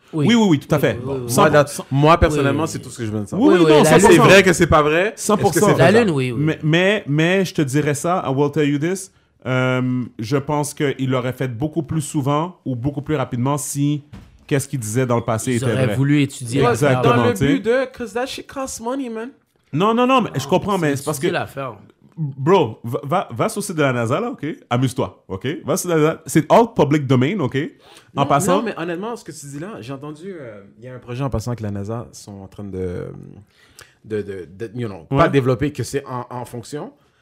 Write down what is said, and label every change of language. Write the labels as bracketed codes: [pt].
[fr] Oui, tout à fait. Moi, personnellement, c'est tout ce que je veux dire. Oui, c'est vrai que c'est pas vrai. 100%. La lune, oui. Mais je te dirais ça. [en] I will tell you this. [fr] Je pense qu'il l'aurait fait beaucoup plus souvent ou beaucoup plus rapidement si. Qu'est-ce qu'il disait dans le passé était vrai. J'aurais voulu étudier. Exactement. Dans le but de, [en] cause that shit costs money, man. [fr] Non, mais je comprends, mais c'est parce que. C'est l'affaire. Bro, va sur le site de la NASA, là, OK? Amuse-toi, OK? Va sur la NASA. C'est [en] all public domain, [fr] OK? Non, mais honnêtement, ce que tu dis là, j'ai entendu, il y a un projet en passant que la NASA sont en train de développer, que c'est en fonction.